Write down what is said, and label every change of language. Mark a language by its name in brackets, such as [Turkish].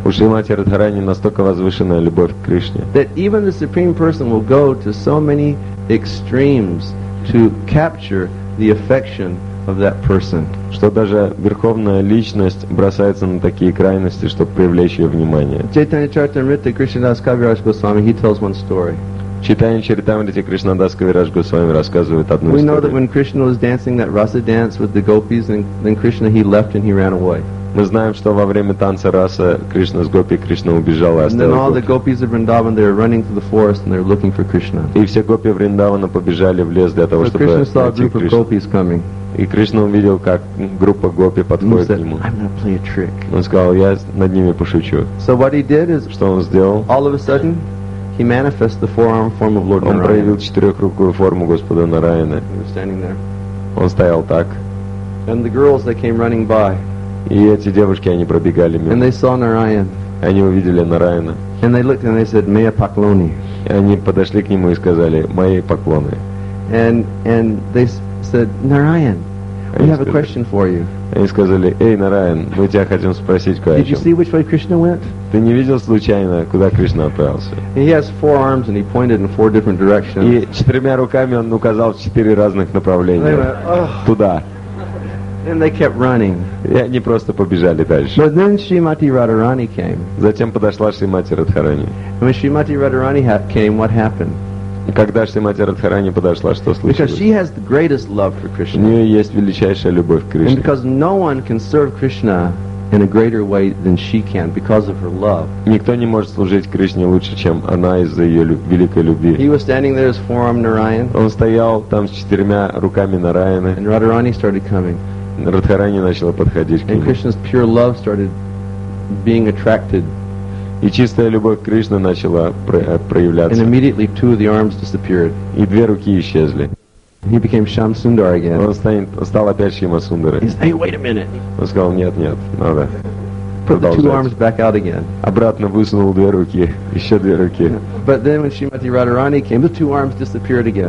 [Russian] У Шримати Радхарани настолько возвышенная любовь к Кришне. [English] That even the Supreme Person will go to so many extremes to capture the affection of that person. [Russian] Что даже верховная личность бросается на такие крайности, чтобы привлечь ее внимание. [English] Chaitanya Charitamrita, Krishnadas Kaviraj Goswami, he tells one story. [Russian] Читание Чаритамриты Кришнадас Кавираджа Госвами рассказывает одну историю. [English] We know that when Krishna was dancing that rasa dance with the gopis, then Krishna he left and he ran away. [Russian] Мы знаем, что во время танца раса Кришна с гопи Кришна убежал и оставил. [English] And then all the gopis of Vrindavan they are running through the forest and they're looking for Krishna. [Russian] И все гопи Вриндавана побежали в лес для того, чтобы найти Кришну. [English] So Krishna saw a group of gopis coming. [Russian] И Кришна увидел, как группа гопи подходит к нему. [English] I'm gonna play a trick. [Russian] Он сказал, я над ними пошучу. [English] So what he did is, [Russian] что он сделал? [English] All of a sudden, he manifests the forearm form of Lord Narayana. [Russian] Он проявил четырехрукую форму Господа Нараяны. [English] He was standing there. [Russian] Он стоял так. [English] And the girls they came running by. [Russian] И эти девушки они пробегали мимо. [English] And they saw Narayan. [Russian] Они увидели Нараяна. [English] And they looked and they said, [Russian] "Мои поклоны." И они подошли к нему и сказали, "Мои поклоны." [English] And they said, "Narayan, we have a question for you." [Russian] Они сказали, "Эй, Нараян, мы тебя хотим спросить кое-что." [English] Did you see which way Krishna went? [Russian] Ты не видел случайно, куда Кришна отправился? [English] He has four arms and he pointed in four different directions. [Russian] И четырьмя руками он указал в четыре разных направления. [English] They went, oh. [Russian] Туда. [English] And they kept running. [Russian] И они просто побежали дальше. [English] But then Srimati Radharani came. [Russian] Затем подошла Шримати Радхарани. [English] When Srimati Radharani came, what happened? [Russian] Когда Шримати Радхарани подошла, что случилось? [English] Because she has the greatest love for Krishna. [Russian] У нее есть величайшая любовь к Кришне. [English] And because no one can serve Krishna in a greater way than she can because of her love. [Russian] Никто не может служить Кришне лучше, чем она из-за ее великой любви. [English] He was standing there as forearm Narayan. [Russian] Он стоял там с четырьмя руками Нараяны. [English] And Radharani started coming. [Russian] Радхарани начала подходить к нему. [English] And Krishna's pure love started being attracted. [Russian] И чистая любовь к Кришне начала проявляться. [English] And immediately two of the arms disappeared. [Russian] И две руки исчезли. [English] He became Shyam Sundar again. [Russian] Он стал опять Шьяма Сундара. [English] He said, "Hey, wait a minute." [Russian] Он сказал, нет, нет, надо. [English] Put the two arms back out again. [Russian] Обратно высунул две руки, еще две руки. [English] But then when Shrimati Radharani came, the two arms disappeared again.